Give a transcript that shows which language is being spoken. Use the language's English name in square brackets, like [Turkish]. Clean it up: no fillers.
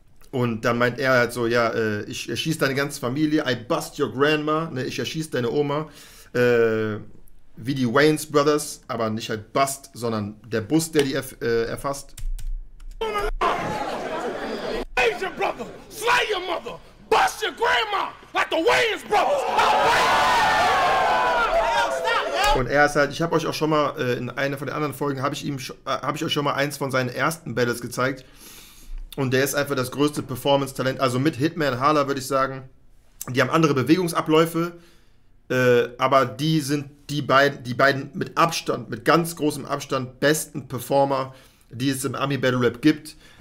[German] Und dann meint er halt so, ja, ich erschieße deine ganze Familie, [English] I bust your grandma, [German] ne, ich erschieße deine Oma, wie die Wayans Brothers, aber nicht halt bust, sondern der Bus, der die erfasst. [English] Asian brother, slay your mother, bust your grandma, like the Wayans Brothers. [German] Und er ist halt, ich habe euch auch schon mal, in einer von den anderen Folgen, habe ich euch schon mal eins von seinen ersten Battles gezeigt. Und der ist einfach das größte Performance-Talent. Also mit Hitman Harlow würde ich sagen, die haben andere Bewegungsabläufe, aber die sind die beiden mit Abstand, mit ganz großem Abstand, besten Performer, die es im Ami Battle Rap gibt.